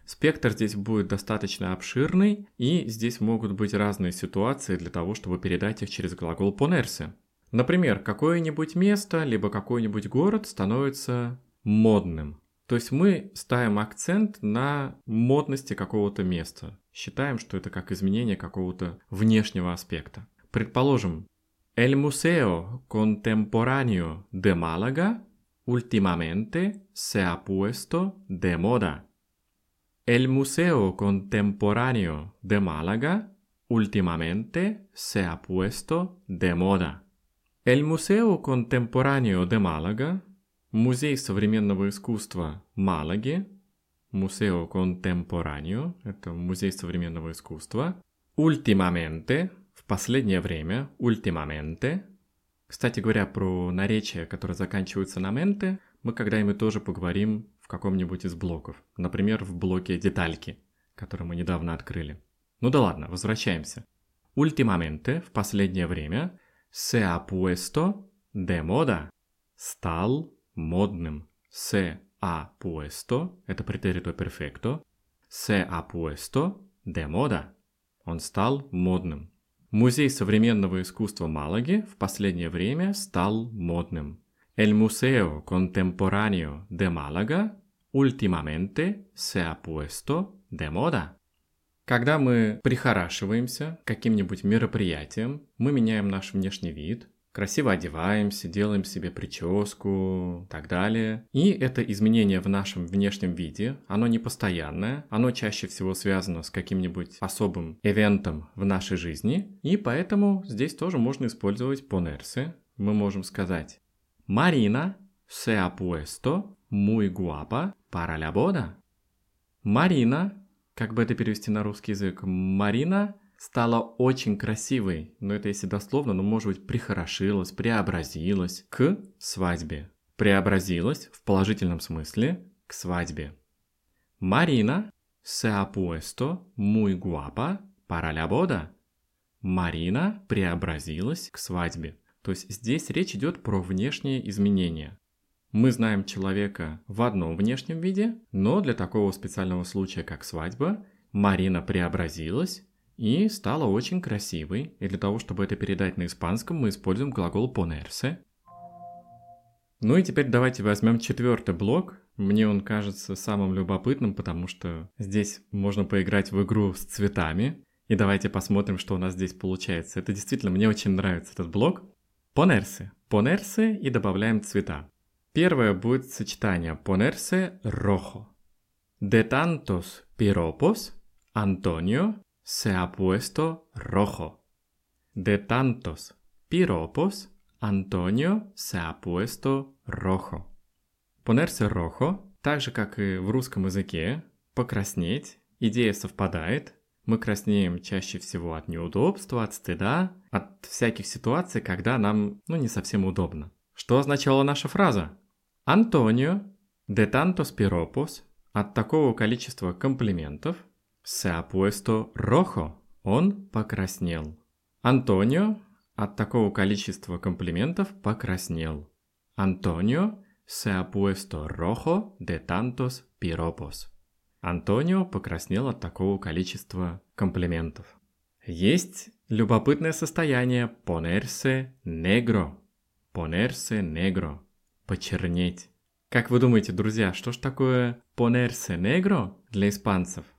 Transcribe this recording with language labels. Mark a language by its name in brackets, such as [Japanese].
[Russian] Спектр здесь будет достаточно обширный, и здесь могут быть разные ситуации для того, чтобы передать их через глагол ponerse. Например, какое-нибудь место, либо какой-нибудь город становится модным. То есть мы ставим акцент на модности какого-то места. Считаем, что это как изменение какого-то внешнего аспекта. [Spanish] Предположим, El Museo Contemporáneo de Málaga últimamente se ha puesto de moda. El Museo Contemporáneo de Málaga últimamente se ha puesto de moda. El Museo Contemporáneo de Málaga, [Russian] Музей современного искусства Малаги, [Spanish] Museo Contemporáneo, [Russian] это Музей современного искусства, [Spanish] últimamente, [Russian] в последнее время, [Spanish] ultimamente. [Russian] Кстати говоря, про наречия, которые заканчиваются на mente, мы когда-нибудь тоже поговорим в каком-нибудь из блоков. Например, в блоке детальки, который мы недавно открыли. Ну да ладно, возвращаемся. [Spanish] Ultimamente, [Russian] в последнее время, [Spanish] se ha puesto de moda. [Russian] Стал модным. [Spanish] Se ha puesto, [Russian] это претерито перфекто. [Spanish] Se ha puesto de moda. [Russian] Он стал модным. Музей современного искусства Малаги в последнее время стал модным. [Spanish] El Museo Contemporáneo de Málaga últimamente se ha puesto de moda. [Russian] Когда мы прихорашиваемся каким-нибудь мероприятием, мы меняем наш внешний вид. Красиво одеваемся, делаем себе прическу, так далее. И это изменение в нашем внешнем виде, оно не постоянное, оно чаще всего связано с каким-нибудь особым ивентом в нашей жизни, и поэтому здесь тоже можно использовать ponerse. Мы можем сказать [Spanish] Marina se ha puesto muy guapa para la boda. [Russian] Marina, как бы это перевести на русский язык, Marina стала очень красивой, но это если дословно, но, может быть, прихорошилась, преобразилась к свадьбе. Преобразилась в положительном смысле к свадьбе. [Spanish] Marina se ha puesto muy guapa para la boda. [Russian] Marina преобразилась к свадьбе. То есть здесь речь идет про внешние изменения. Мы знаем человека в одном внешнем виде, но для такого специального случая, как свадьба, Marina преобразилась и стала очень красивой. И для того, чтобы это передать на испанском, мы используем глагол ponerse. Ну и теперь давайте возьмем четвертый блок. Мне он кажется самым любопытным, потому что здесь можно поиграть в игру с цветами. И давайте посмотрим, что у нас здесь получается. Это действительно, мне очень нравится этот блок. [Spanish] Ponerse. [Russian] Ponerse и добавляем цвета. Первое будет сочетание [Spanish] ponerse rojo. De tantos piropos, Antonio se ha puesto rojo. De tantos piropos, Antonio se ha puesto rojo. Ponerse rojo, [Russian] так же, как и в русском языке, покраснеть, идея совпадает. Мы краснеем чаще всего от неудобства, от стыда, от всяких ситуаций, когда нам, ну, не совсем удобно. Что означала наша фраза? [Spanish] Antonio, de tantos piropos, [Russian] от такого количества комплиментов, [Spanish] se ha puesto rojo, [Russian] он покраснел. Antonio от такого количества комплиментов покраснел. [Spanish] Antonio se ha puesto rojo de tantos piropos. [Russian] Antonio покраснел от такого количества комплиментов. Есть любопытное состояние [Spanish] ponerse negro. Ponerse negro. Почернеть. [Russian] Как вы думаете, друзья, что ж такое [Spanish] ponerse negro [Russian] для испанцев?